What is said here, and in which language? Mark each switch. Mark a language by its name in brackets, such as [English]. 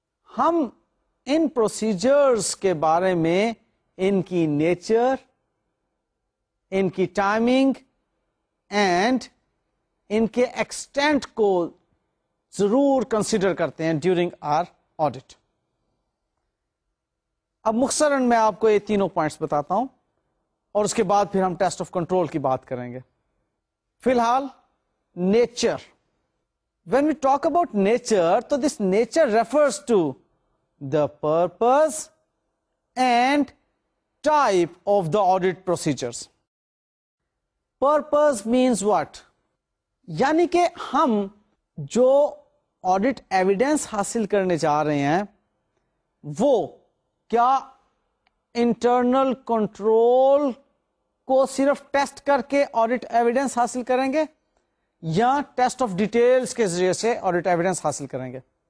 [Urdu] ہم ان پروسیجرز کے بارے میں ان کی نیچر, ان کی ٹائمنگ اینڈ ان کے ایکسٹینٹ کو ضرور کنسیڈر کرتے ہیں [English] During our audit. [Urdu] اب مختصراً میں آپ کو یہ تینوں پوائنٹس بتاتا ہوں اور اس کے بعد پھر ہم ٹیسٹ آف کنٹرول کی بات کریں گے. فی الحال [English] Nature, when we talk about nature, تو this nature refers to the purpose and type of the audit procedures. Purpose means what, [Urdu] یعنی کہ ہم جو آڈٹ ایویڈنس حاصل کرنے جا رہے ہیں وہ کیا انٹرنل کنٹرول کو صرف ٹیسٹ کر کے آڈٹ ایویڈنس حاصل کریں گے یا ٹیسٹ آف ڈیٹیلز کے ذریعے سے آڈٹ ایویڈنس حاصل کریں گے.